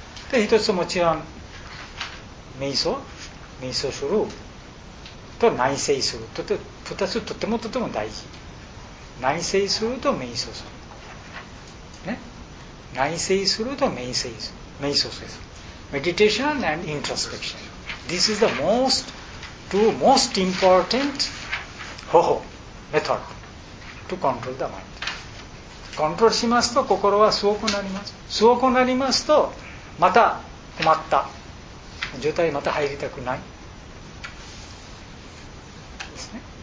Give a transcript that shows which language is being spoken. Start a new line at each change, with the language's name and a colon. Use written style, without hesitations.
Japanese: で、一つもちろん、瞑想すると内省する。とても大事。内省すると瞑想する。ね、内省すると瞑想する。
English: Meditation and introspection. This is the two most important 方法、method to control the mind.
Japanese: コントロールしますと心は素をくなりますとまた困った状態にまた入りたくないですね。